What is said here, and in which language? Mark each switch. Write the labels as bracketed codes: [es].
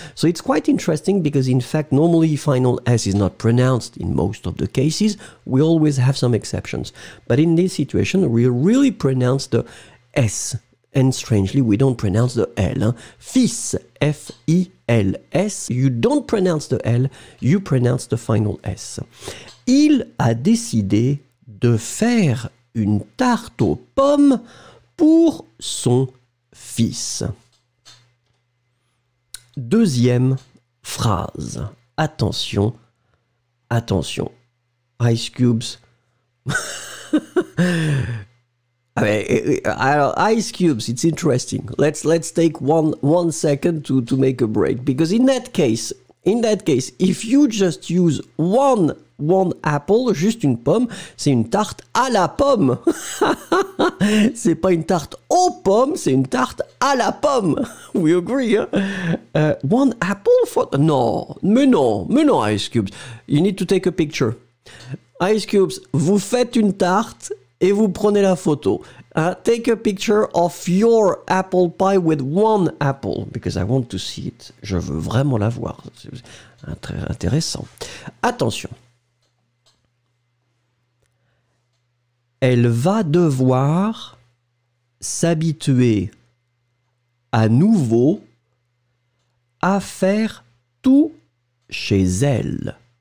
[en] So it's quite interesting because in fact, normally final S is not pronounced in most of the cases, we always have some exceptions, but in this situation, we really pronounce the S, and strangely, we don't pronounce the L, hein? Fils, F-I-L-S, you don't pronounce the L, you pronounce the final S. [fr] Il a décidé de faire une tarte aux pommes pour son fils. Deuxième phrase. Attention, attention. Ice cubes. [en] Ice cubes, it's interesting. Let's take one second to make a break. Because in that case, if you just use one apple, [fr] juste une pomme, c'est une tarte à la pomme. C'est pas une tarte aux pommes, c'est une tarte à la pomme. [en] We agree, hein? One apple for... Non, Ice Cubes. You need to take a picture. [fr] Ice Cubes, vous faites une tarte et vous prenez la photo. [en] Take a picture of your apple pie with one apple, because I want to see it. [fr] Je veux vraiment la voir. C'est très intéressant. Attention. Elle va devoir s'habituer à nouveau à faire tout chez elle.